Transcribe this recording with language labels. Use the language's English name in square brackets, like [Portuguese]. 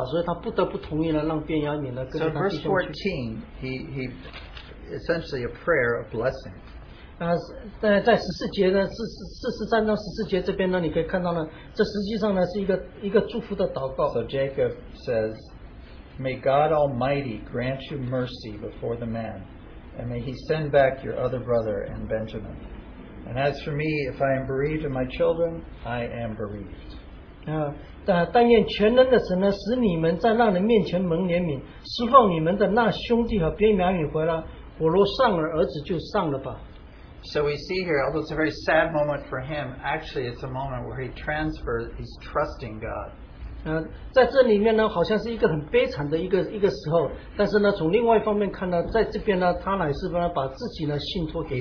[Chinese] 但是呢，你看到呢，他在那边呢，他不愿意呢放便雅悯去，但是他那个饥荒实在是太大了，他没有办法，所以他不得不同意呢让便雅悯呢跟他弟兄去。 [English] So in verse 14, he essentially a prayer of blessing. [Chinese] 在十四节呢，四十三章十四节这边呢，你可以看到呢，这实际上呢是一个祝福的祷告。 [English] So Jacob says, "May God Almighty grant you mercy before the man, and may He send back your other brother and Benjamin. And as for me, if I am bereaved of my children, I am bereaved." [Chinese] 但愿全能的神呢，使你们在那人面前蒙怜悯，释放你们的那兄弟和便雅悯回来，我若上了，儿子就上了吧。 [English] So we see here, although it's a very sad moment for him, actually it's a moment where he's trusting God. [Chinese] 在这里面呢，好像是一个很悲惨的一个时候，但是呢，从另外一方面看呢，在这边呢，他乃是把自己呢信托给。